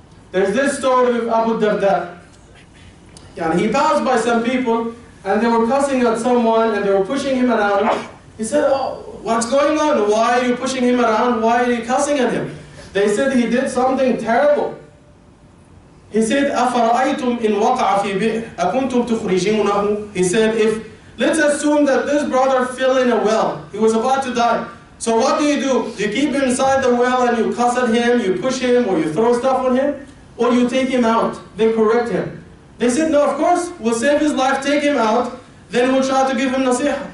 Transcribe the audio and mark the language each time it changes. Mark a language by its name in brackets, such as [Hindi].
[English] There's this story of Abu Darda. And he passed by some people and they were cussing at someone and they were pushing him around. He said, oh, what's going on? Why are you pushing him around? Why are you cussing at him? They said he did something terrible. He said, [Arabic] أَفَرَأَيْتُمْ إِنْ وَقَعَ فِي بِئْرٍ أَكُنْتُمْ تُخْرِجِينَهُ. [English] He said, if, let's assume that this brother fell in a well. He was about to die. So what do? Do you keep him inside the well and you cuss at him, you push him, or you throw stuff on him? Or you take him out, then correct him? They said, no, of course, we'll save his life, take him out, then we'll try to give him nasiha.